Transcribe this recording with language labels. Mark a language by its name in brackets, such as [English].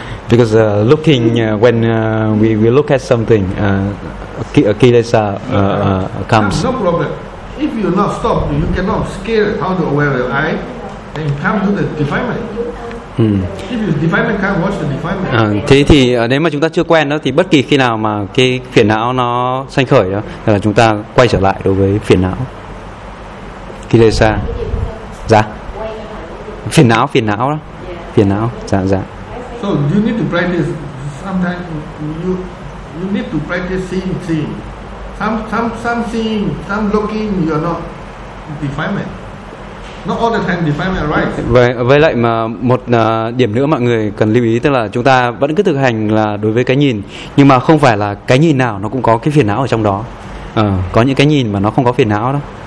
[English] Because when we look at something, kilesa comes. No problem. If you not stop, you cannot scale how to aware your eye, then come to the defilement. If you defilement can't watch the defilement. [Vietnamese] Thế thì nếu mà chúng ta chưa quen đó thì bất kỳ khi nào mà cái phiền não nó sanh khởi đó thì là chúng ta quay trở lại đối với phiền não. Kilesa. Dạ. Phiền não đó. [English] Yeah. [Vietnamese] Phiền não. Dạ dạ. [English] So you need to practice. Sometimes you need to practice seeing. Some seeing, some looking, you are not defilement. Not all the time defilement arise. [Vietnamese] Với lại mà một điểm nữa mọi người cần lưu ý, tức là chúng ta vẫn cứ thực hành là đối với cái nhìn, nhưng mà không phải là cái nhìn nào nó cũng có cái phiền não ở trong đó. Có những cái nhìn mà nó không có phiền não đâu.